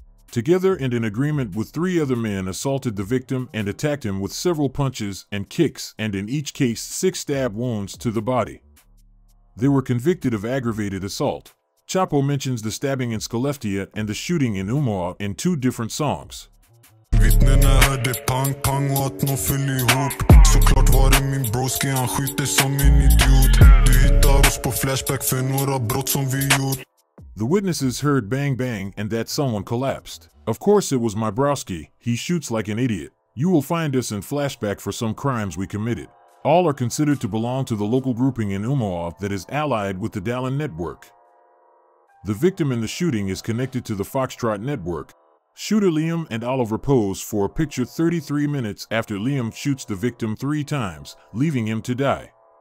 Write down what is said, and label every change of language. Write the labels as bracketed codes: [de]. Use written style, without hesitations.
[en] Together and in agreement with three other men assaulted the victim and attacked him with several punches and kicks and in each case six stab wounds to the body. They were convicted of aggravated assault. Chapo mentions the stabbing in Skelleftea and the shooting in Umoa in two different songs. [sv] Vittnena hörde pang pang och att nå föll ihop. Såklart var det min broski, han skjuter som en idiot. Du hittar oss på flashback för några brott som vi gjort. [en] The witnesses heard bang bang and that someone collapsed. Of course it was my broski, he shoots like an idiot. You will find us in flashback for some crimes we committed. All are considered to belong to the local grouping in Umoa that is allied with the Dalen network. The victim in the shooting is connected to the Foxtrot network. Shooter Liam and Oliver pose for a picture 33 minutes after Liam shoots the victim three times, leaving him to die.